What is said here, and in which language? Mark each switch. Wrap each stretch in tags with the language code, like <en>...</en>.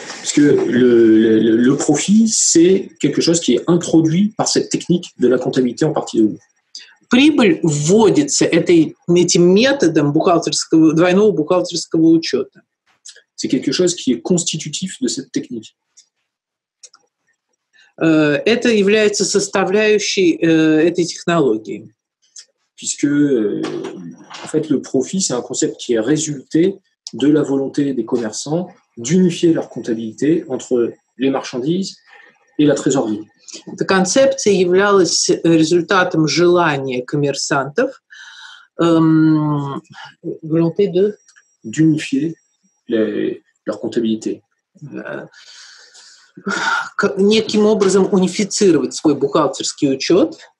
<fr>Parce que le profit, c'est quelque chose qui est introduit par cette technique de la comptabilité en partie double.</fr> <ru>Прибыль вводится этим методом бухгалтерского, двойного бухгалтерского учета.</ru> <fr>C'est quelque chose qui est constitutif de cette technique.</fr> <ru>Это является составляющей этой технологии.</ru> <fr>Puisque, en fait, le profit, c'est un concept qui est résulté de la volonté des commerçants d'unifier leur comptabilité entre les marchandises et la trésorerie.</fr> <ru>Эта концепция являлась результатом желания коммерсантов,</ru> <fr>volonté de... D'unifier leur comptabilité.</fr> <ru>Неким образом унифицировать свой бухгалтерский учет.</ru>